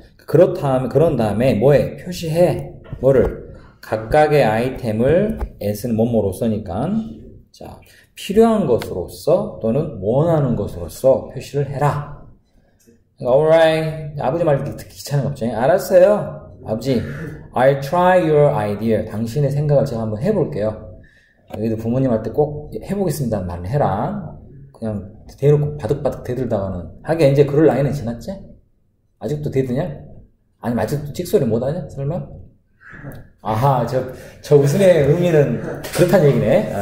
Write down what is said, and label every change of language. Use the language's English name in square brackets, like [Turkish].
[Korean] 그런 다음에 뭐해? 표시해. 뭐를? 각각의 아이템을 as는 뭐뭐로 써니까. 자, 필요한 것으로서 또는 원하는 것으로서 표시를 해라. [English] Alright. [Korean] 아버지 말 듣기 귀찮은 거 없지? 알았어요. 아버지, [English] I'll try your idea. [Korean] 당신의 생각을 제가 한번 해볼게요. 여기도 부모님한테 꼭 해보겠습니다. 말을 해라. 그냥 대놓고 바득바득 대들다가는. 하긴 이제 그럴 나이는 지났지? 아직도 대드냐? 아니, 아직도 찍소리 못하냐? 설마? 아하, 저 웃음의 의미는 그렇단 얘기네.